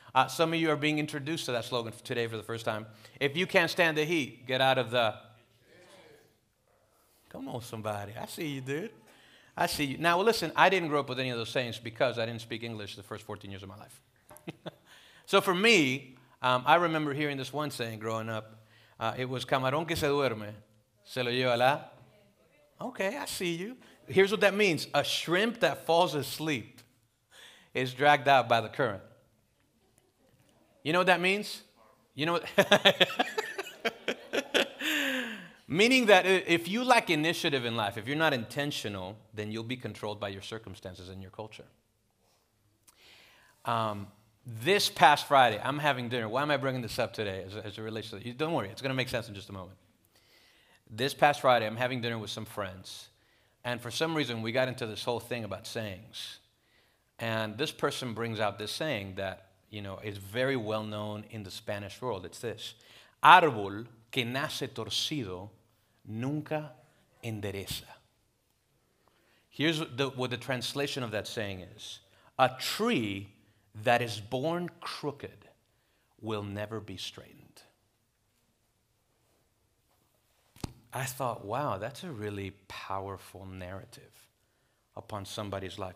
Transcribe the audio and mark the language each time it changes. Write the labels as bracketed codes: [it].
[en] Some of you are being introduced to that slogan today for the first time. If you can't stand the heat, get out of the. Come on, somebody. I see you, dude. I see you. Now, listen, I didn't grow up with any of those sayings because I didn't speak English the first 14 years of my life. So for me, I remember hearing this one saying growing up. It was, [es] camarón que se duerme, se lo lleva la. [en] Okay, I see you. Here's what that means. A shrimp that falls asleep is dragged out by the current. You know what that means? You know Meaning that if you lack initiative in life, if you're not intentional, then you'll be controlled by your circumstances and your culture. This past Friday, I'm having dinner. Why am I bringing this up today as a relationship? Don't worry. It's going to make sense in just a moment. This past Friday, I'm having dinner with some friends. And for some reason, we got into this whole thing about sayings. And this person brings out this saying that, you know, is very well known in the Spanish world. It's this. [es] Árbol que nace torcido nunca endereza. [en] Here's what the translation of that saying is. A tree that is born crooked will never be straightened. I thought, wow, that's a really powerful narrative upon somebody's life.